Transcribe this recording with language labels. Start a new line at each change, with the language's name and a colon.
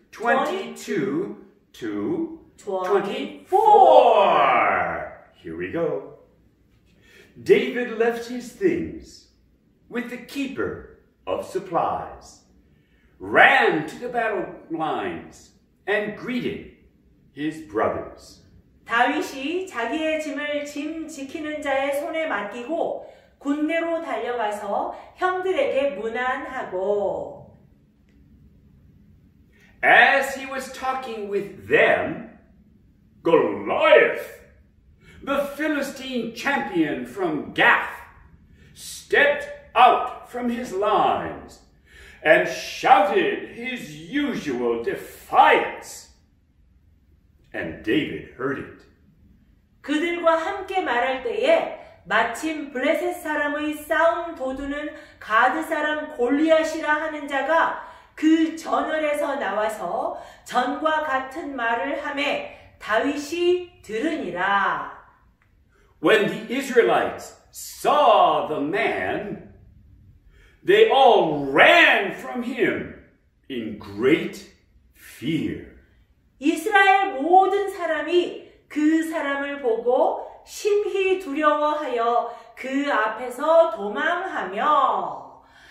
English: 22 to 24. Here we go. David left his things with the keeper of supplies, ran to the battle lines, and greeted his brothers.
Korean: 다윗이 자기의 짐을 짐 지키는 자의 손에 맡기고 군대로 달려가서 형들에게 문안하고
English: As he was talking with them, Goliath, the Philistine champion from Gath, stepped out from his lines and shouted his usual defiance. And David heard it.
Korean: 그들과 함께 말할 때에 마침 블레셋 사람의 싸움 도두는 가드 사람 골리앗이라 하는 자가 그 전열에서 나와서 전과 같은 말을 하매 다윗이 들으니라.
English: When the Israelites saw the man, they all ran from him in great fear.
Korean: 이스라엘 모든 사람이 그 사람을 보고 심히 두려워하여 그 앞에서 도망하며